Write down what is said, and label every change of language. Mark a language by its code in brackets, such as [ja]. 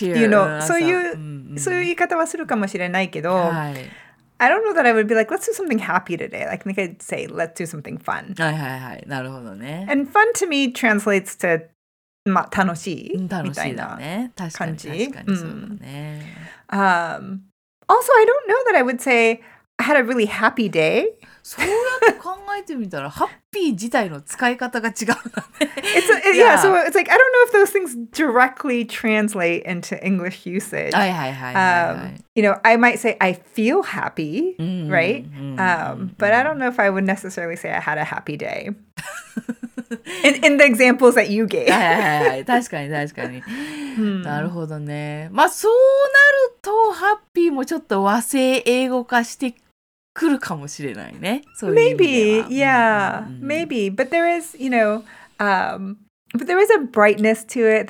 [en] You know, [ja] そういう言い方はするかもしれないけど、 [en] I don't know that I would be like, let's do something happy today. Like, I think I'd say, let's do something fun. And fun to me translates to [ja] 楽しいみたいな感じ。 [en] Also, I don't know that I would say I had a really happy day. [ja] そうやって考えてみたら、ハッピー自体の使い方が違うんだね。 [en] So it's like, I don't know if those things directly translate into English usage. You know, I might say I feel happy, right? But I don't know if I would necessarily say I had a happy day. in the examples that you gave. [ja] はい、確かに。なるほどね。まあ、そうなると、ハッピーもちょっと和製英語化して来るかもしれないね。そういう意味では。Maybe. [en] But there is, you know, but there is a brightness to it.